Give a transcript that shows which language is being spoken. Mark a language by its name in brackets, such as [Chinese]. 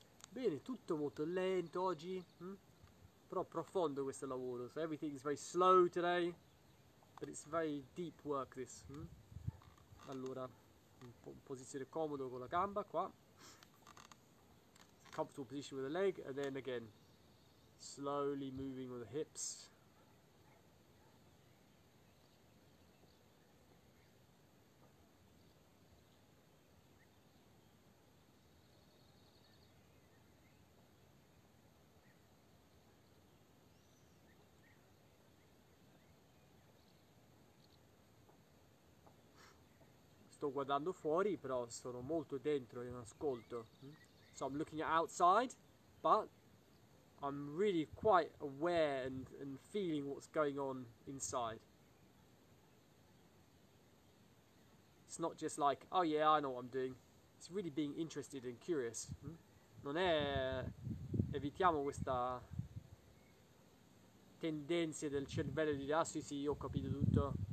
[Italian] Bene, tutto molto lento oggi. Però profondo questo lavoro. [English] So everything is very slow today, but it's very deep work this. [Italian] Allora, in posizione comodo con la gamba qua. [English] Comfortable position with the leg, and then again, slowly moving with the hips. [Italian] Sto guardando fuori, però sono molto dentro in ascolto. [English] So I'm looking outside, but I'm really quite aware and feeling what's going on inside. It's not just like, oh yeah, I know what I'm doing. It's really being interested and curious. [Italian] Non è. Evitiamo questa tendenza del cervello di dire, ah sì, io ho capito tutto.